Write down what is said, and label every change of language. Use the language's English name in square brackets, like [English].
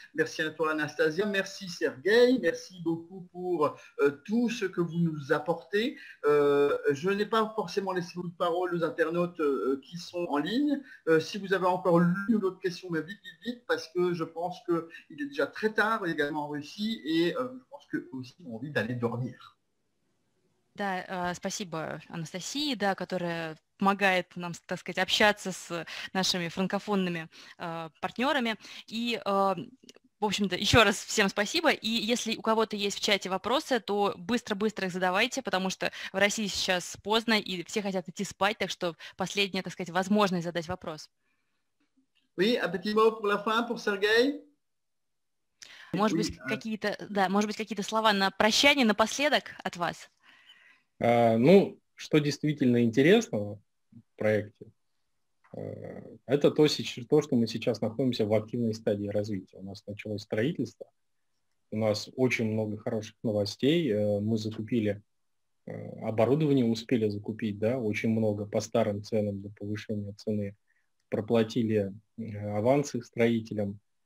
[French] Merci à toi Anastasia, merci Sergueï, merci beaucoup pour tout ce que vous nous apportez. Je n'ai pas forcément laissé de parole aux internautes qui sont en ligne. Si vous avez encore l'une ou l'autre question, mais vite, parce que je pense qu'il est déjà très tard également en Russie et je pense qu'eux aussi ont envie d'aller dormir. [Russian] Да, спасибо Анастасии, да, которая помогает нам, так сказать, общаться с нашими франкофонными партнерами. И, в общем-то, еще раз всем спасибо. И если у кого-то есть в чате вопросы, то быстро-быстро их задавайте, потому что в России сейчас поздно, и все хотят идти спать, так что последняя, так сказать, возможность задать вопрос. [French] Oui, un petit mot pour la fin, pour Sergueï. [Russian] Может быть, какие-то, да, может быть, какие-то слова на прощание, напоследок от вас? Ну, что действительно интересного в проекте, это то, что мы сейчас находимся в активной стадии развития. У нас началось строительство, у нас очень много хороших новостей, мы закупили оборудование, успели закупить, да, очень много по старым ценам для повышения цены, проплатили авансы строителям.